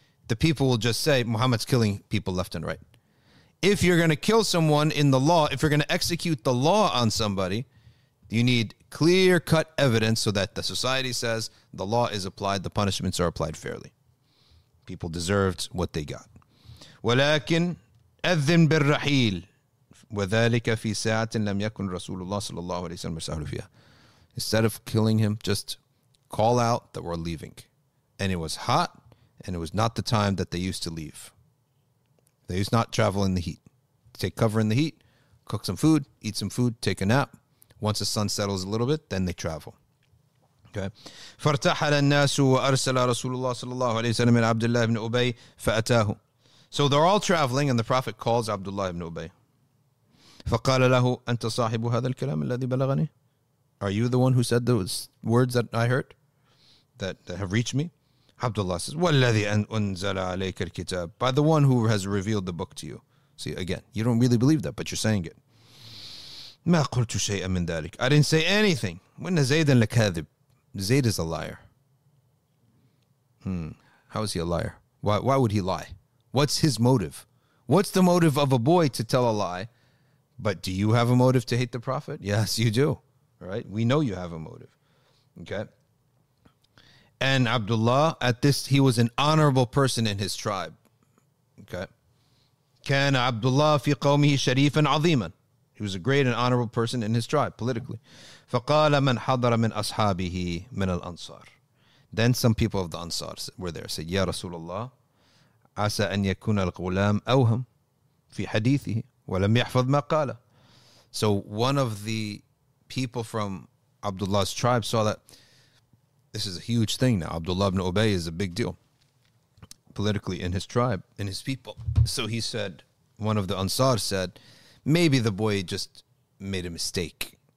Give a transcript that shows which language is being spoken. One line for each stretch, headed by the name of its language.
English: The people will just say, Muhammad's killing people left and right. If you're going to kill someone in the law, if you're going to execute the law on somebody, you need clear-cut evidence so that the society says the law is applied, the punishments are applied fairly. People deserved what they got.
Arabic: ولكن أذن بالرحيل وذلك في ساعة لم يكن رسول الله صلى الله عليه وسلم يسأل فيها.
English: Instead of killing him, just call out that we're leaving. And it was hot, and it was not the time that they used to leave. They used not travel in the heat. Take cover in the heat, cook some food, eat some food, take a nap. Once the sun settles a little bit, then they travel.
Arabic: فارتحل الناس وأرسل رسول الله صلى الله عليه وسلم من عبد الله بن أبي فأتاه.
English: So they're all traveling and the Prophet calls Abdullah ibn Ubay.
Arabic: فقال له أنت صاحب هذا الكلام الذي بلغني.
English: Are you the one who said those words that I heard, that have reached me? Abdullah says,
Arabic: والذي أنزل عليك الكتاب.
English: By the one who has revealed the book to you. See, again, you don't really believe that, but you're saying it.
Arabic: ما قلت شيئا من ذلك.
English: I didn't say anything.
Arabic: وإن زيدا لكاذب.
English: Zayd is a liar. How is he a liar? Why would he lie? What's his motive? What's the motive of a boy to tell a lie? But do you have a motive to hate the Prophet? Yes, you do. Right? We know you have a motive. Okay? And Abdullah, at this, he was an honorable person in his tribe. Okay?
Arabic: كان عبد الله في قومه شريفا عظيما.
English: He was a great and honorable person in his tribe politically.
Arabic: فقال من حضر من أصحابه من الأنصار.
English: Then some people of the Ansar were there.
Arabic: Said, Ya Rasulullah, عسى أن يكون الغلام أوهم في حديثه ولم يحفظ ما قال.
English: So one of the people from Abdullah's tribe saw that this is a huge thing now. Abdullah ibn Ubay is a big deal politically in his tribe, in his people. So he said, one of the Ansar said, maybe the boy just made a mistake.